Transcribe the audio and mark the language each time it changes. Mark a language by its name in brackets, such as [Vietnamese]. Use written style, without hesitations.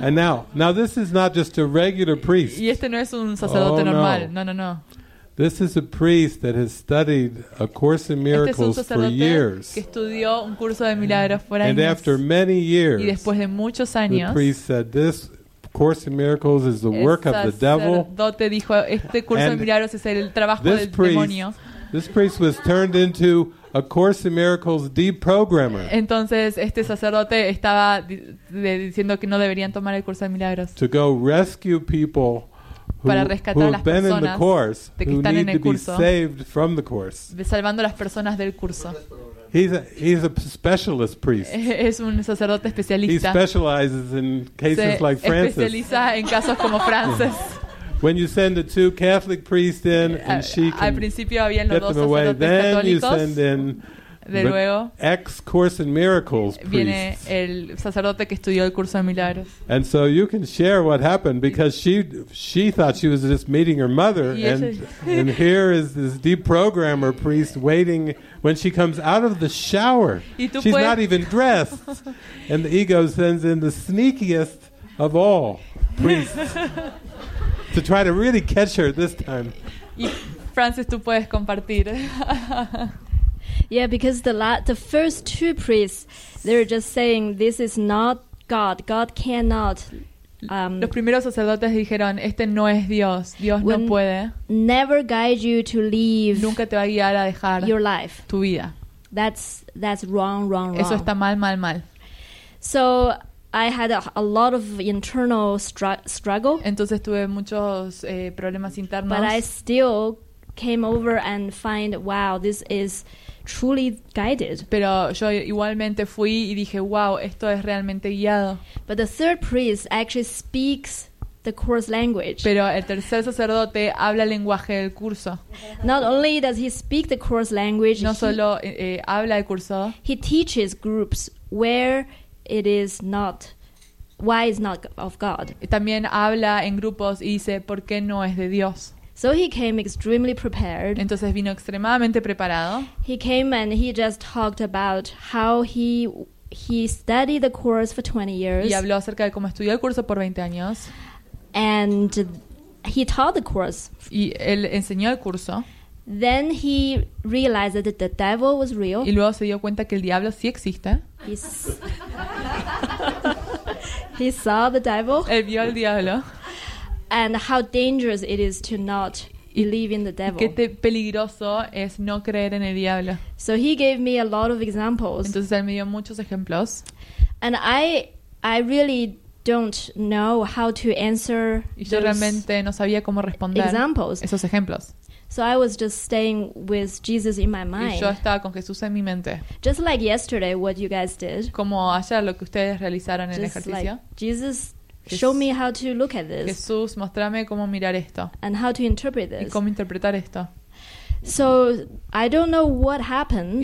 [English] And now this is not just a regular priest. [Spanish] Y este no es un sacerdote normal. No, no, no. [English] This is a priest that has studied A Course in Miracles for years. [Spanish] Que estudió un curso de milagros por años. [English] And after many years. [Spanish] Y después de muchos años. [English] The priest said this. Course in Miracles is the work of the devil. [Spanish] Sacerdote dijo, este curso de milagros es el trabajo del demonio. [English] This priest was turned into a Course in Miracles deprogrammer. [Spanish] Entonces este sacerdote estaba diciendo que no deberían tomar el curso de milagros. [English] To go rescue people who have been in the course, who need to be saved from the course. [Spanish] Salvando las personas del curso. [English] He's a specialist priest. [Spanish] Es un sacerdote especialista. [English] He specializes in cases [Spanish] se [English] like Francis. [Spanish] Especializa en casos como Francis. [English] When you send the two Catholic priests in and she can [Spanish] al principio habían los [English] get [Spanish] dos [English] them away, then you send in [Spanish] luego [English] ex Course in Miracles [Spanish] viene [English] priest. [Spanish] El sacerdote que estudió el curso de milagros. [English] And so you can share what happened because she thought she was just meeting her mother and and here is this deep programmer priest waiting when she comes out of the shower. She's not even dressed. And the ego sends in the sneakiest of all priests to try to really catch her this time. [Spanish] Francis, tú puedes compartir. [English] Yeah, because the first two priests, they're just saying this is not God. God cannot. [Spanish] Los primeros sacerdotes dijeron, este no es Dios. Dios no puede. [English] Never guide you to leave. [Spanish] Nunca te va a guiar a dejar [English] your life. [Spanish] Tu vida. [English] That's wrong, wrong, wrong. [Spanish] Eso está mal, mal, mal. [English] So I had a lot of internal struggle. [Spanish] Entonces tuve muchos problemas internos. [English] But I still came over and find, wow, this is truly guided. [Spanish] Pero yo igualmente fui y dije, wow, esto es realmente guiado. [English] But the third priest actually speaks the course language. [Spanish] Pero el tercer sacerdote habla el lenguaje del curso. [English] Not only does he speak the course language, [Spanish] no solo habla el curso, [English] he teaches groups where it is not, why it's not of God. [Spanish] También habla en grupos y dice, ¿por qué no es de Dios? [English] So he came extremely prepared. [Spanish] Entonces vino extremadamente preparado. [English] He came and he just talked about how he studied the course for 20 years. [Spanish] Y habló acerca de cómo estudió el curso por 20 años. [English] And he taught the course. [Spanish] Y él enseñó el curso. [English] Then he realized that the devil was real. [Spanish] Y luego se dio cuenta que el diablo sí existe. [English] He saw the devil. [Spanish] Él vio al diablo. [English] And how dangerous it is to not believe in the devil. [Spanish] Qué peligroso es no creer en el diablo. [English] So he gave me a lot of examples. [Spanish] Entonces él me dio muchos ejemplos. [English] And I really don't know how to answer. [Spanish] Y yo realmente no sabía cómo responder [English] examples. [Spanish] Esos ejemplos. [English] So I was just staying with Jesus in my mind. [Spanish] Y yo estaba con Jesús en mi mente. [English] Just like yesterday, what you guys did. [Spanish] Como ayer lo que ustedes realizaron en el ejercicio. [English] Just like Jesus. Show me how to look at this. [Spanish] Jesús, muéstrame cómo mirar esto. [English] And how to interpret this. [Spanish] Y cómo interpretar esto. [English] So I don't know what happened.